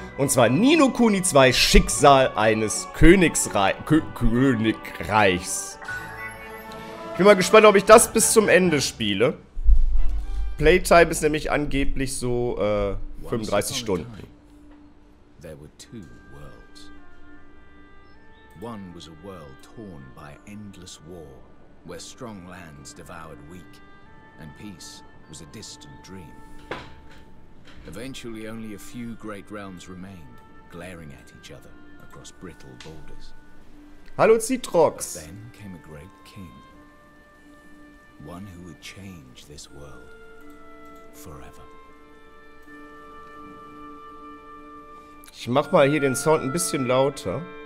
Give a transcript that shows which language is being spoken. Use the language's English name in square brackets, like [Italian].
[German] Und zwar Ni no Kuni 2 Schicksal eines Königreichs. Ich bin mal gespannt, ob ich das bis zum Ende spiele. Playtime ist nämlich angeblich so 35 Stunden. [English] There were two worlds. One was a world torn by endless war, where strong lands devoured weak, and peace was a distant dream. Eventually only a few great realms remained, glaring at each other across brittle borders. [German] Hallo Zitrox. [English] But then came a great king. One who would change this world forever. [German] Ich mach mal hier den Sound ein bisschen lauter.